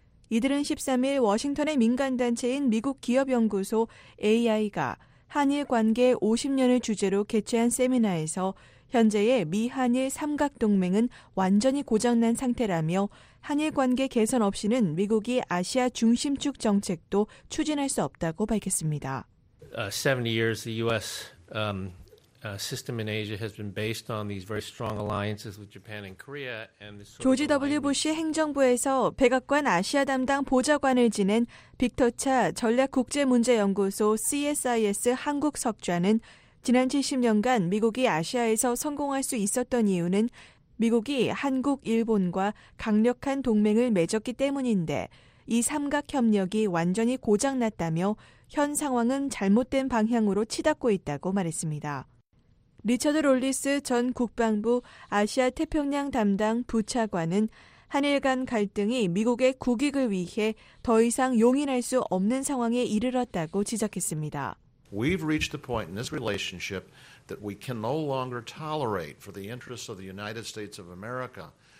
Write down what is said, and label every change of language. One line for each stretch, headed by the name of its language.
Korean: 이들은 13일 워싱턴의 민간단체인 미국기업연구소 AI가 한일 관계 50년을 주제로 개최한 세미나에서 현재의 미한일 삼각동맹은 완전히 고장난 상태라며 한일 관계 개선 없이는 미국이 아시아 중심축 정책도 추진할 수 없다고 밝혔습니다.
English: 70 years the US system in Asia has been based on these very strong alliances with Japan and Korea and this
Korean: 조지 W. 부시 행정부에서 백악관 아시아 담당 보좌관을 지낸 빅터 차 전략 국제 문제 연구소 CSIS 한국 석좌는 지난 70년간 미국이 아시아에서 성공할 수 있었던 이유는 미국이 한국, 일본과 강력한 동맹을 맺었기 때문인데 이 삼각협력이 완전히 고장났다며 현 상황은 잘못된 방향으로 치닫고 있다고 말했습니다. 리처드 롤리스 전 국방부 아시아태평양 담당 부차관은 한일 간 갈등이 미국의 국익을 위해 더 이상 용인할 수 없는 상황에 이르렀다고 지적했습니다.
English: We've reached a point in this relationship that we can no longer tolerate for the interests of the United States of America.